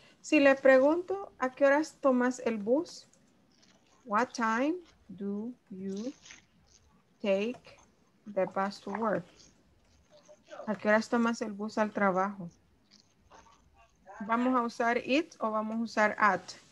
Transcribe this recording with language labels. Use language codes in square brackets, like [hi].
[es] Si le pregunto, ¿a qué horas tomas el bus? [en] What time do you take the bus to work? [es] ¿A qué horas tomas el bus al trabajo? ¿Vamos a usar it o vamos a usar at?